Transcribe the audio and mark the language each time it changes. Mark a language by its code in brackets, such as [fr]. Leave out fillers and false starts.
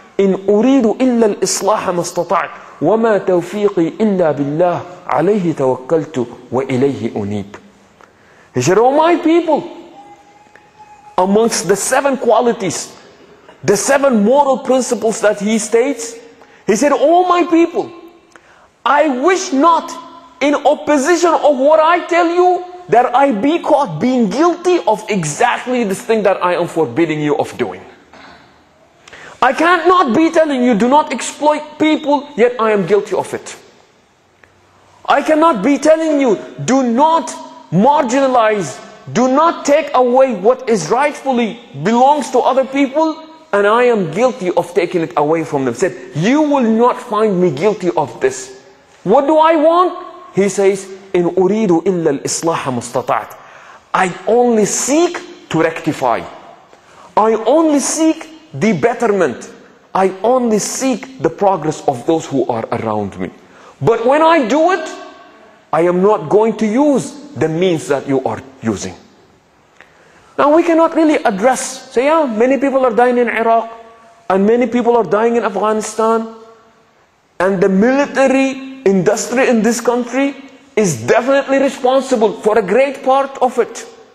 [ar] إن أريد إلا الإصلاح ما استطعت وما توفيقي إلا بالله عليه توكلت وإليه أنيب. [en] He said, oh my people, amongst the seven qualities, the seven moral principles that he states, he said, oh my people, I wish not in opposition of what I tell you that I be caught being guilty of exactly this thing that I am forbidding you of doing. I cannot be telling you do not exploit people, yet I am guilty of it. I cannot be telling you do not marginalize, do not take away what is rightfully belongs to other people, and I am guilty of taking it away from them. Said, you will not find me guilty of this. What do I want? He says, [ar] إن أريد إلا الإصلاح ما استطعت. [en] I only seek to rectify. I only seek the betterment. I only seek the progress of those who are around me. But when I do it, I am not going to use the means that you are using. Now we cannot really address, say, yeah, many people are dying in Iraq, and many people are dying in Afghanistan, and the military industry in this country is definitely responsible for a great part of it.